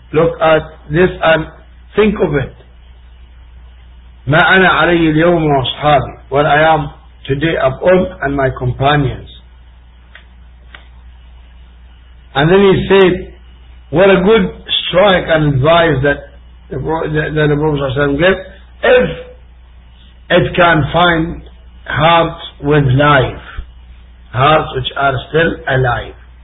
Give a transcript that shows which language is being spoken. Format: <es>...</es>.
<en>Look at this and think of it.</en> <ar>ما أنا علي اليوم وأصحابي.</ar> <en>What I am today of all and my companions. And then he said, what a good strike and advice that the Prophet gave, if it can find hearts with life, hearts which are still alive.</en>